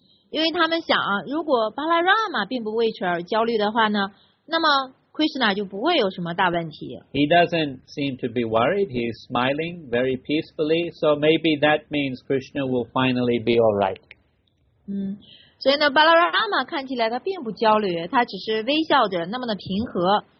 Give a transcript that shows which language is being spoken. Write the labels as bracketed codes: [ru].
[zh] 因为他们想啊，如果巴拉拉玛并不为此而焦虑的话呢，那么Krishna 就不会有什么大问题。 [en] He doesn't seem to be worried. He's smiling very peacefully. So maybe that means Krishna will finally be all right. [zh] 所以呢，巴拉拉玛看起来他并不焦虑，他只是微笑着，那么的平和。